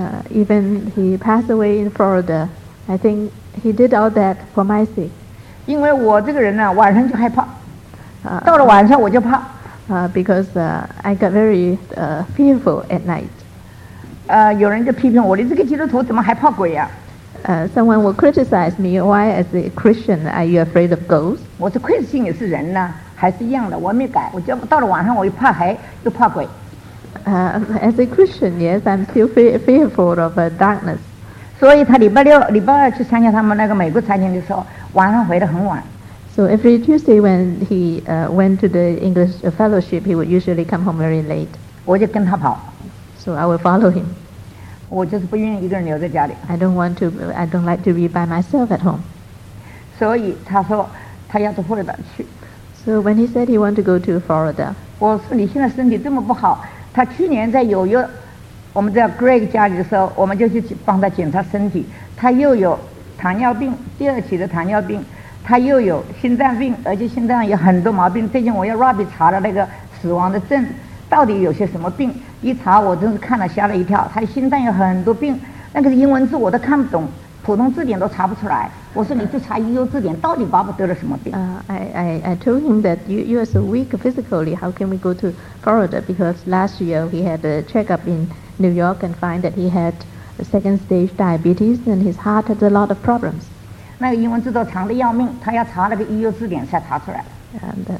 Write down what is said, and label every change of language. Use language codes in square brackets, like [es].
[en] Even he passed away in Florida, I think he did all that for my sake. [zh] 因为我这个人呢，晚上就害怕，到了晚上我就怕。 [en] Because I got very fearful at night. [zh] 有人就批评我，你这个基督徒怎么还怕鬼呀？ [en] Someone will criticize me. Why, as a Christian, are you afraid of ghosts? [zh] 我是Christian也是人呢，还是一样的，我没改。我到了晚上我又怕黑，又怕鬼。 [en] As a Christian, yes, I'm still fearful of darkness. [zh] 所以他礼拜六礼拜二去参加他们那个美国餐厅的时候晚上回得很晚 [en] so every Tuesday when he went to the English fellowship he would usually come home very late [zh] 我就跟他跑 [en] so I would follow him [zh] 我就是不愿意一个人留在家里 [en] I don't like to be by myself at home [zh] 所以他说他要到佛罗里达去 [en] so when he said he wanted to go to Florida [zh] 我说你现在身体这么不好他去年在纽约我们在 Greg 家里的时候我们就去帮他检查身体他又有糖尿病第二期的糖尿病他又有心脏病而且心脏有很多毛病最近我要 Robbie 查了那个死亡的症到底有些什么病一查我真是看了吓了一跳他心脏有很多病那个英文字我都看不懂普通字典都查不出来我说你就查医用字典到底爸爸得了什么病、 [en] I told him that you are so weak physically how can we go to Florida because last year we had a checkup inNew York and find that he had a second stage diabetes and his heart had a lot of problems. And